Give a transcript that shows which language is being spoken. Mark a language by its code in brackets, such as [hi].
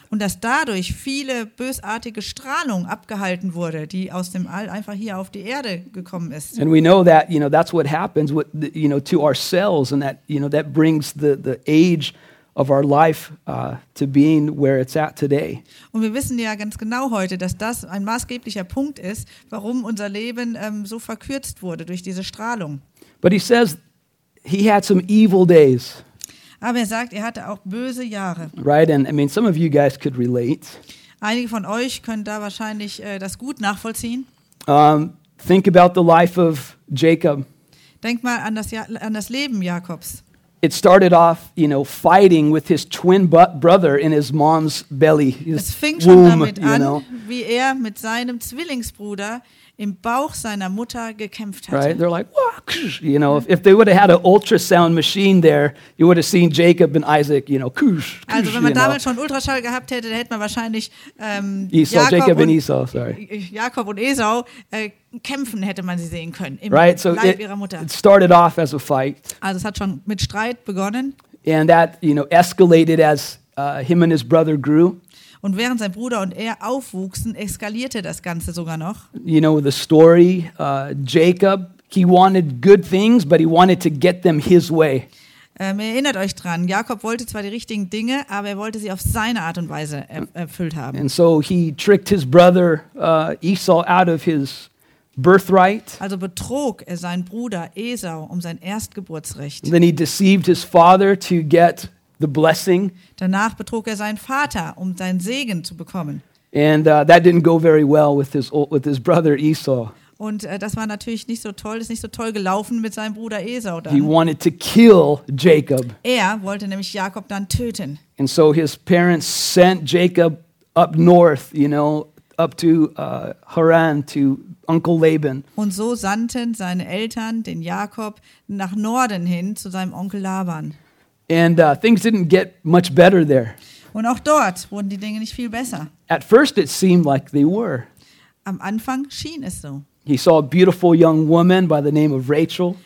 [de] Und dass dadurch viele bösartige Strahlung abgehalten wurde, die aus dem All einfach hier auf die Erde gekommen ist. [en] And we know that, you know, that's what happens with the, you know, to our cells, and that, you know, that brings the age of our life to being where it's at today. [de] Und wir wissen ja ganz genau heute, dass das ein maßgeblicher Punkt ist, warum unser Leben so verkürzt wurde durch diese Strahlung. [en] But he says he had some evil days. [de] Aber er sagt, er hatte auch böse Jahre. [en] Right, and I mean some of you guys could relate. [de] Einige von euch können da wahrscheinlich das gut nachvollziehen. [en] Think about the life of Jacob. [de] Denk mal an das Leben Jakobs. [en] It started off, you know, fighting with his twin brother in his mom's belly. [de] Es fing schon damit an, wie er mit seinem Zwillingsbruder im Bauch seiner Mutter gekämpft hat. [en] Right? They're like, wah, you know, if they would have had an ultrasound machine there, you would have seen Jacob and Isaac, you know, kush, kush. [de] Also, wenn man damals schon Ultraschall gehabt hätte, dann hätte man wahrscheinlich Jakob und Esau kämpfen hätte man sie sehen können im [en] right? So [de] Leib ihrer Mutter. [en] It started off as a fight. [de] Also, es hat schon mit Streit begonnen. [en] And that, you know, escalated as him and his brother grew. [de] Und während sein Bruder und er aufwuchsen, eskalierte das Ganze sogar noch. [en] You know the story, Jacob, he wanted good things, but he wanted to get them his way. [de] Erinnert euch dran, Jakob wollte zwar die richtigen Dinge, aber er wollte sie auf seine Art und Weise erfüllt haben. [en] And so he tricked his brother Esau out of his birthright. [de] Also betrog er seinen Bruder Esau um sein Erstgeburtsrecht. [en] And then he deceived his father to get the blessing. [de] Danach betrog er seinen Vater, um seinen Segen zu bekommen. [en] And that didn't go very well with his brother Esau. [de] Und das war natürlich nicht so toll, ist nicht so toll gelaufen mit seinem Bruder Esau dann. [en] He wanted to kill Jacob. [de] Er wollte nämlich Jakob dann töten. [en] And so his parents sent Jacob up north, you know, up to Haran to Uncle Laban. [de] Und so sandten seine Eltern den Jakob nach Norden hin zu seinem Onkel Laban. [en] And things didn't get much better there. [de] Und auch dort wurden die Dinge nicht viel besser. [en] At first it seemed like they were. [de] Am Anfang schien es so. [en] He saw a beautiful young woman by the name of Rachel.